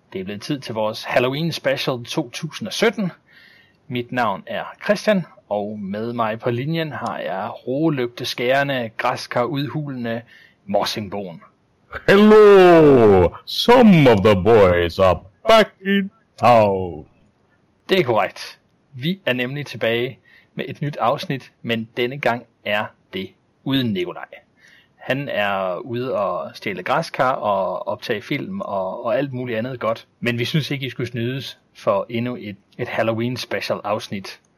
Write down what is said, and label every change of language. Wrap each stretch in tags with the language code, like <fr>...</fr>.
<da>Det er blevet tid til vores Halloween special 2017. Mit navn er Christian, og med mig på linjen har jeg rolygteskærende, græskarudhulende Morsingboen.</da> <en>Hello, some of the boys are back in town.</en> <da>Det er korrekt. Vi er nemlig tilbage med et nyt afsnit, men denne gang er det uden Nikolaj. Han er ude og stjæle græskar og optage film og alt muligt andet godt. Men vi synes ikke, I skulle snydes for endnu et Halloween special afsnit.</da>